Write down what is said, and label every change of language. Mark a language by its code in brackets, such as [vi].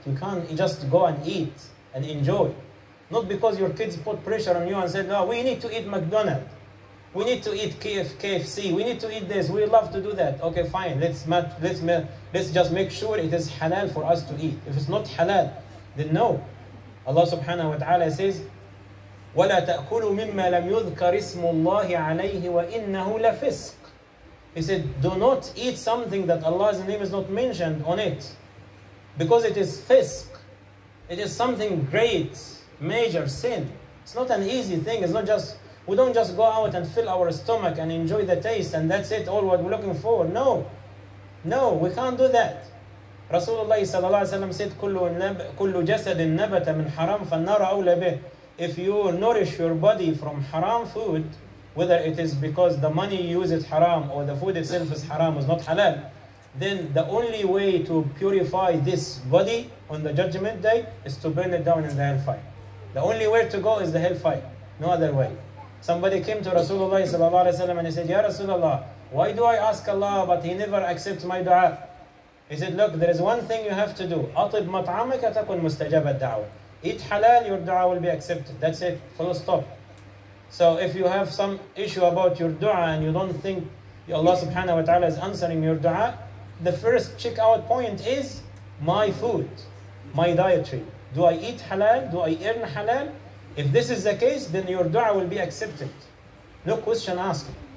[en] You can't just go and eat and enjoy. Not because your kids put pressure on you and said, no, we need to eat McDonald's. We need to eat KFC. We need to eat this. We love to do that. Okay, fine. Let's just make sure it is halal for us to eat. If it's not halal, then no. [ar] Allah subhanahu wa ta'ala says, ولا تأكلوا مما لم يذكر اسم الله عليه وإنه لفسق. [en] He said, do not eat something that Allah's name is not mentioned on it, because it is fisq. It is something great, major sin. It's not an easy thing. It's not just, we don't just go out and fill our stomach and enjoy the taste and that's it, all what we're looking for. No. No, we can't do that. Rasulullah sallallahu alayhi wa sallam said, [ar] كُلُّ جَسَدٍ نَبَتَ مِنْ حَرَامٍ فَالنَّارَ أَوْلَى بِهِ. [en] If you nourish your body from haram food, whether it is because the money you use is haram or the food itself is haram, is not halal, then the only way to purify this body on the judgment day is to burn it down in the hellfire. The only way to go is the hellfire, no other way. Somebody came to Rasulullah sallallahu alaihi wasallam and he said, "Ya Rasulullah, why do I ask Allah but He never accepts my dua?" He said, "Look, there is one thing you have to do. [ar] أطب مطعمك تكون مستجاب الدعوة. [en] Eat halal, your dua will be accepted. That's it. Full stop. So if you have some issue about your dua and you don't think Allah subhanahu wa ta'ala is answering your dua, the first checkout point is my food, my dietary. Do I eat halal? Do I earn halal? If this is the case, then your dua will be accepted. No question asked.